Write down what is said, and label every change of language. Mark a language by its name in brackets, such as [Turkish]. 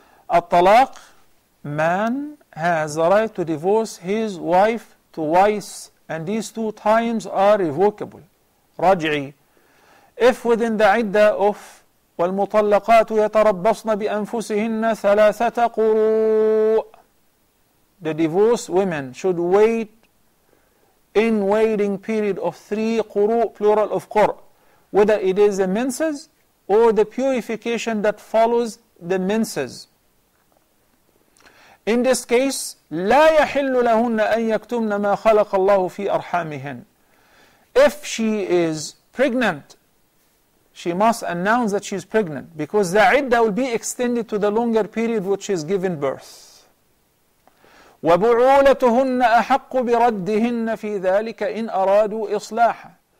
[English] At-talaq, man has the right to divorce his wife twice, and these two times are revocable. Raj'i, if within the idda of [Arabic] والمطلقات يتربصن بأنفسهن ثلاثة قروء. [English] The divorced women should wait in waiting period of 3 قروء, plural of قرء, whether it is the menses or the purification that follows the menses. In this case, [Arabic] لا يحل لهن أن يكتمن ما خلق الله في أرحامهن. [English] If she is pregnant, she must announce that she is pregnant, because the iddah will be extended to the longer period which she is given birth. [Arabic] وَبُعُولَتُهُنَّ أَحَقُّ بِرَدِّهِنَّ فِي ذَلِكَ إِنْ أَرَادُوا إِصْلَاحًا.